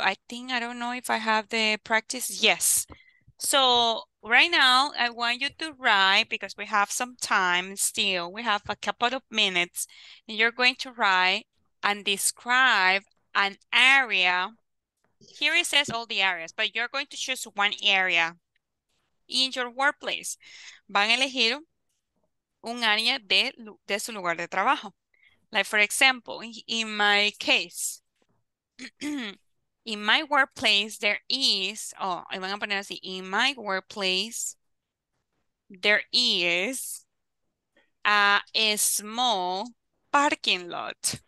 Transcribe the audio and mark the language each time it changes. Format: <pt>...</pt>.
<en>I don't know if I have the practice. Yes. So, right now, I want you to write, because we have some time still, we have a couple of minutes, and you're going to write and describe an area. Here it says all the areas, but you're going to choose one area in your workplace.</en> <es>Van a elegir un área de su lugar de trabajo.</es> <en>Like, for example, in my case, in my workplace, there is, oh, I'm going to put it así. In my workplace, there is a small parking lot.</en>